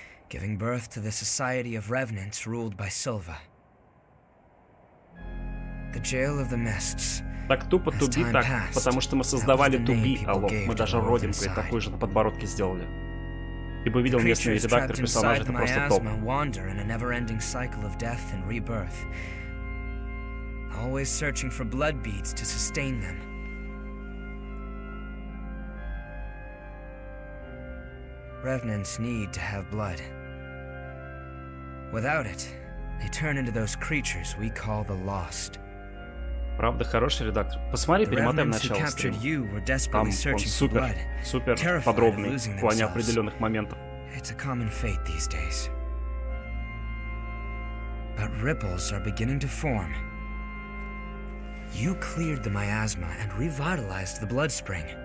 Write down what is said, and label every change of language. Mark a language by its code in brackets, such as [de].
[en] Giving birth to the Society of Revenants ruled by Silva. The Jail of the Mists. [ru] Так тупо туби, так, потому что мы создавали туби, алло. Мы даже родинку и такую же на подбородке сделали. Ты бы видел местный редактор персонажа, это просто топ. [en] Wander in a never-ending cycle of death and rebirth. Always searching for blood beads to sustain them. Revenants need to have blood. Without it, they turn into those creatures we call the lost. [ru] Правда, хороший редактор. Посмотри, перемотаем начало стрима. Там он супер, супер подробный в плане определенных моментов. [en] It's a common fate these days. But ripples are beginning to form. You cleared the miasma and revitalized the blood spring.